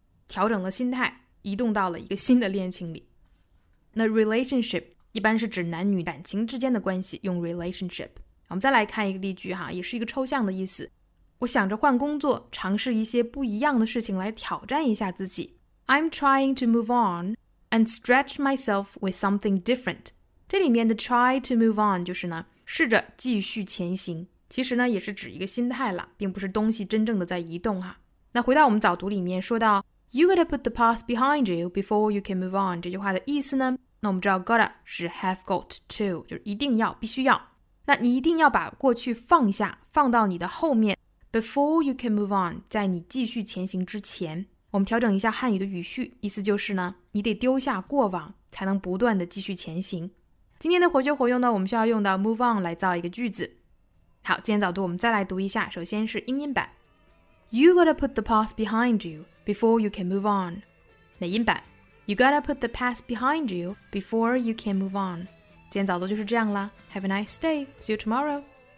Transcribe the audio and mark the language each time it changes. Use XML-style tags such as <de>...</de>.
<zh>调整了心态，移动到了一个新的恋情里。那 relationship 一般是指男女感情之间的关系，用 relationship。我们再来看一个例句哈，也是一个抽象的意思。我想着换工作，尝试一些不一样的事情来挑战一下自己。</zh> <en>I'm trying to move on and stretch myself with something different.</en> <zh>这里面的</zh> <en>try to move on</en> <zh>就是呢试着继续前行，其实呢也是指一个心态了，并不是东西真正的在移动哈。那回到我们早读里面说到</zh> <en>You gotta put the past behind you before you can move on</en> <zh>这句话的意思呢，那我们知道 gotta 是</zh> <en>have got to，</en> <zh>就是一定要必须要，那你一定要把过去放下，放到你的后面，</zh> <en>before you can move on，</en> <zh>在你继续前行之前。我们调整一下汉语的语序，意思就是呢你得丢下过往才能不断的继续前行。今天的活学活用呢，我们需要用到 move on 来造一个句子。好，今天早读我们再来读一下，首先是英音版。</zh> <en>You gotta put the past behind you before you can move on.</en> <zh>美音版。</zh> <en>You gotta put the past behind you before you can move on.</en> <zh>今天早读就是这样啦。</zh> <en>Have a nice day. See you tomorrow.</en>